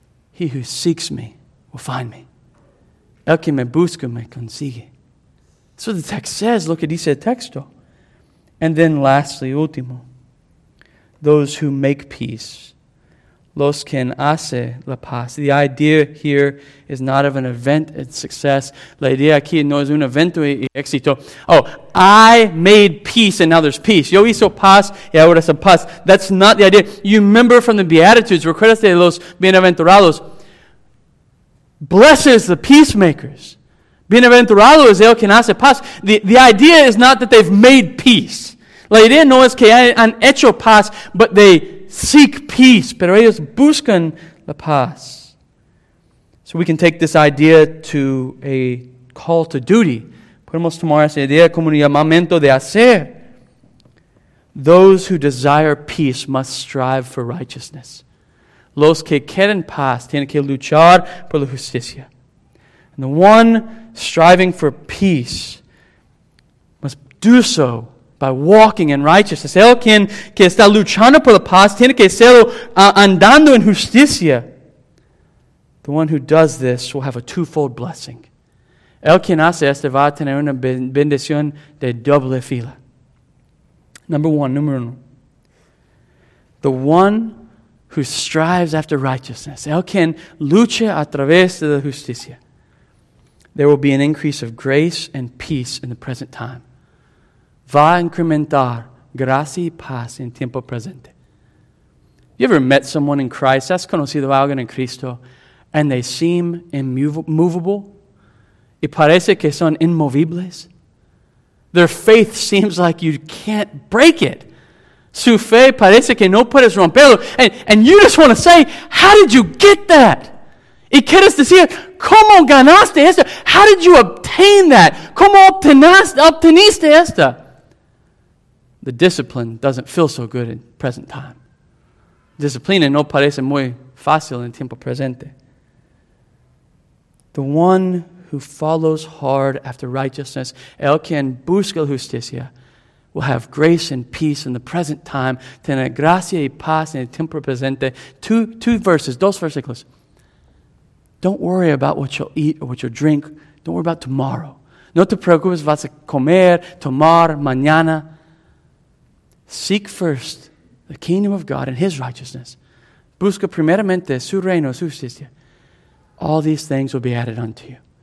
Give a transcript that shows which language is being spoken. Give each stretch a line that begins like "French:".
English: He who seeks me will find me.
Spanish: El que me busca me consigue.
English: That's what the text says.
Spanish: Lo que dice el texto.
English: And then lastly, último, those who make peace.
Spanish: Los que hace la paz.
English: The idea here is not of an event and success.
Spanish: La idea aquí no es un evento y éxito.
English: Oh, I made peace and now there's peace.
Spanish: Yo hizo paz y ahora es paz.
English: That's not the idea. You remember from the Beatitudes,
Spanish: recuerdas de los bienaventurados.
English: Blessed is the peacemakers.
Spanish: Bienaventurado es el que hace paz.
English: The idea is not that they've made peace.
Spanish: La idea no es que han hecho paz,
English: but they seek peace,
Spanish: pero ellos buscan la paz.
English: So we can take this idea to a call to duty.
Spanish: Podemos tomar esa idea como un llamamiento de hacer.
English: Those who desire peace must strive for righteousness.
Spanish: Los que quieren paz tienen que luchar por la justicia.
English: And the one striving for peace must do so by walking in righteousness.
Spanish: El quien que está luchando por la paz tiene que hacerlo andando en justicia.
English: The one who does this will have a twofold blessing.
Spanish: El quien hace este va a tener una bendición de doble fila. Número uno.
English: The one who strives after righteousness.
Spanish: El quien lucha a través de la justicia.
English: There will be an increase of grace and peace in the present time.
Spanish: Va a incrementar gracia y paz en tiempo presente.
English: You ever met someone in Christ?
Spanish: ¿Has conocido a alguien en Cristo?
English: And they seem immovable.
Spanish: Y parece que son inmovibles.
English: Their faith seems like you can't break it.
Spanish: Su fe parece que no puedes romperlo.
English: And you just want to say, how did you get that?
Spanish: Y quieres decir, ¿cómo ganaste esto?
English: How did you obtain that?
Spanish: ¿Cómo obteniste esto?
English: The discipline doesn't feel so good in present time.
Spanish: Disciplina no parece muy fácil en tiempo presente.
English: The one who follows hard after righteousness,
Spanish: el quien busca la justicia,
English: will have grace and peace in the present time,
Spanish: tener gracia y paz en el tiempo presente.
English: Two verses,
Spanish: dos versículos.
English: Don't worry about what you'll eat or what you'll drink. Don't worry about tomorrow.
Spanish: No te preocupes, vas a comer, tomar, mañana.
English: Seek first the kingdom of God and his righteousness.
Spanish: Busca primeramente su reino, su justicia.
English: All these things will be added unto you.